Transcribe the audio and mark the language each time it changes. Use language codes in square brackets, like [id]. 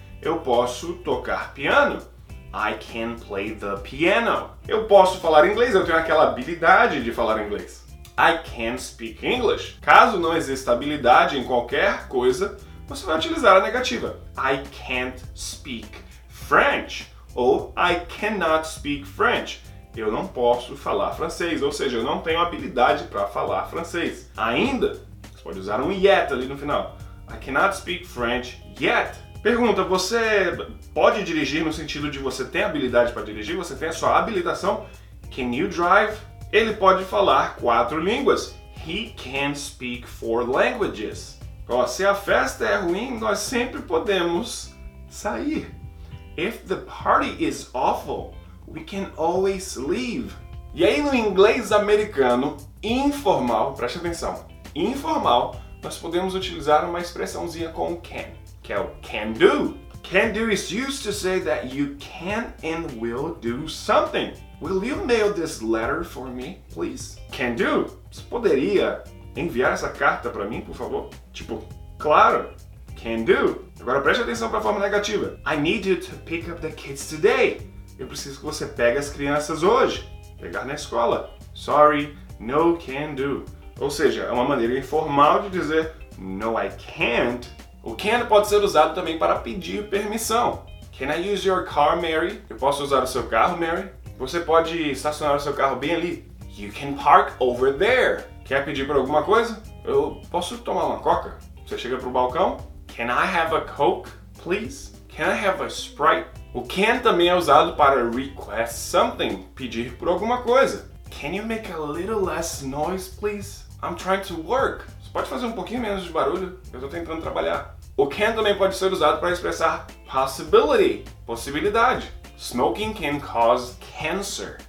[pt] Eu posso tocar piano. [en] I can play the piano. [pt] Eu posso falar inglês, eu tenho aquela habilidade de falar inglês. [en] I can speak English. [pt] Caso não exista habilidade em qualquer coisa, você vai utilizar a negativa. [en] I can't speak French. Ou I cannot speak French. [pt] Eu não posso falar francês, ou seja, eu não tenho habilidade para falar francês. Ainda, você pode usar um yet ali no final. [en] I cannot speak French yet. [pt] Pergunta, você pode dirigir no sentido de você tem habilidade para dirigir? Você tem a sua habilitação? [en] Can you drive? [pt] Ele pode falar quatro línguas. [en] He can speak four languages. [pt] Ó, se a festa é ruim, nós sempre podemos sair. [en] If the party is awful, we can always leave. [pt] E aí no inglês americano, informal, preste atenção, informal, nós podemos utilizar uma expressãozinha com can. Que é o can do. [en] Can do is used to say that you can and will do something. Will you mail this letter for me, please? Can do. [pt] Você poderia enviar essa carta para mim, por favor? Tipo, claro. [en] Can do. [pt] Agora preste atenção para a forma negativa. [en] I need you to pick up the kids today. [pt] Eu preciso que você pegue as crianças hoje. Pegar na escola. [en] Sorry, no can do. [pt] Ou seja, é uma maneira informal de dizer [en] no, I can't. [pt] O can pode ser usado também para pedir permissão. [en] Can I use your car, Mary? [pt] Eu posso usar o seu carro, Mary? Você pode estacionar o seu carro bem ali. [en] You can park over there. [pt] Quer pedir por alguma coisa? Eu posso tomar uma coca? Você chega para o balcão? [en] Can I have a Coke, please? Can I have a Sprite? [pt] O can também é usado para [en] request something, [pt] pedir por alguma coisa. [en] Can you make a little less noise, please? I'm trying to work. [pt] Você pode fazer um pouquinho menos de barulho? Eu estou tentando trabalhar. O can também pode ser usado para expressar possibility, possibilidade. [en] Smoking can cause cancer.